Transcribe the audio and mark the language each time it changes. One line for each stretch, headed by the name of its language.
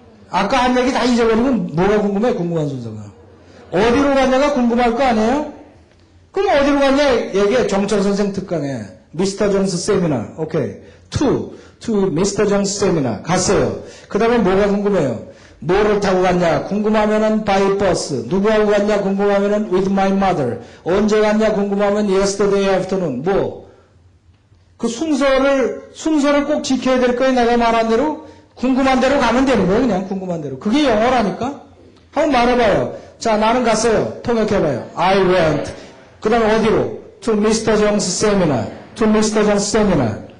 Korean: 아까 한 얘기 다 잊어버리면 뭐가 궁금해? 궁금한 순서가. 어디로 갔냐가 궁금할 거 아니에요? 그럼 어디로 갔냐? 얘기해. 정철 선생 특강에. 미스터 존스 세미나. 오케이. To 미스터 존스 세미나. 갔어요. 그 다음에 뭐가 궁금해요? 뭐를 타고 갔냐? 궁금하면은
English: by bus.
Korean: 누구하고 갔냐? 궁금하면은
English: with my mother.
Korean: 언제 갔냐? 궁금하면
English: yesterday afternoon.
Korean: 뭐? 그 순서를 꼭 지켜야 될 거예요. 내가 말한 대로. 궁금한 대로 가면 되는 거예요. 그냥 궁금한 대로. 그게 영어라니까? 한번 말해봐요. 자, 나는 갔어요. 통역해봐요.
English: I went.
Korean: 그 다음에 어디로?
English: To Mr. Jones Seminar. To Mr. Jones Seminar.